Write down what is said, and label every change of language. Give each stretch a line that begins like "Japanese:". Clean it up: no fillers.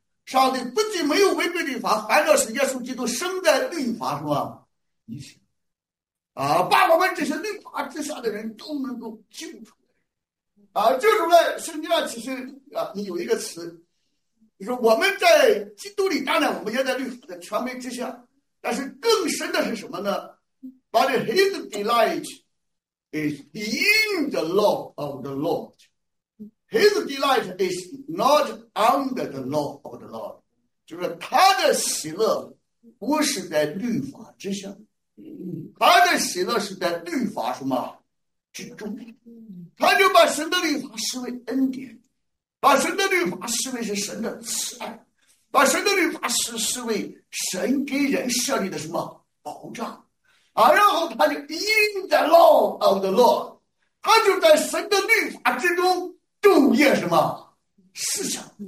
Chinese: 上帝不仅没有违背律法，反倒是耶稣基督生在律法是吧？你想啊，把我们这些律法之下的人都能够救出来啊，救出来。圣经上其实啊，你有一个词，你说我们在基督里，当然我们也在律法的权威之下。但是更深的是什么呢？
English: But his delight is in the law of the Lord. His delight is not under the law of the Lord.
Chinese: 就是他的喜乐不是在律法之下，他的喜乐是在律法什么之中。他就把神的律法视为恩典，把神的律法视为是神的慈爱，把神的律法视为神给人设立的什么保障啊，然后他就 in the law of the Lord，他就在神的律法之中昼夜什么思想，